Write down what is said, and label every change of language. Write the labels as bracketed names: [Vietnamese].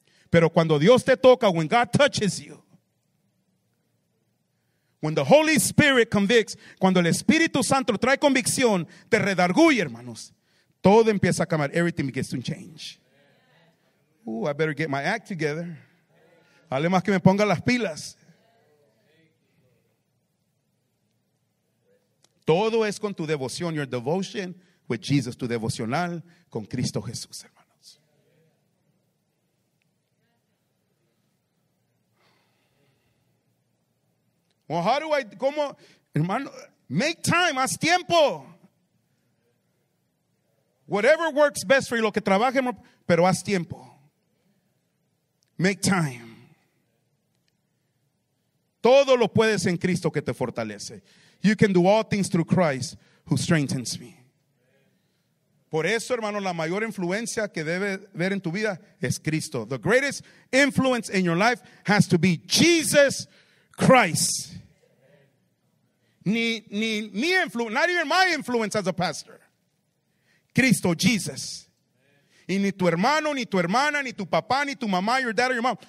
[Spanish] Pero cuando Dios te toca, [English] when God touches you, when the Holy Spirit convicts, [Spanish] cuando el Espíritu Santo trae convicción, te redarguye, hermanos, todo empieza a cambiar. [English] Everything begins to change. Ooh, I better get my act together. [Spanish] Hable más que me ponga las pilas. Todo es con tu devoción, [English] your devotion with Jesus, [Spanish] tu devocional con Cristo Jesús, hermanos. [English] Well, how do I, [Spanish] como, hermano, [English] make time, [Spanish] haz tiempo. [English] Whatever works best for you, [Spanish] lo que trabaje, pero haz tiempo. [English] Make time. [Spanish] Todo lo puedes en Cristo que te fortalece. [English] You can do all things through Christ who strengthens me. [Spanish] Por eso, hermano, la mayor influencia que debe ver en tu vida es Cristo. [English] The greatest influence in your life has to be Jesus Christ. [Spanish] Ni mi [English] influence, not even my influence as a pastor. [Spanish] Cristo, Jesus. Y ni tu hermano, ni tu hermana, ni tu papá, ni tu mamá, [English] your dad or your mom.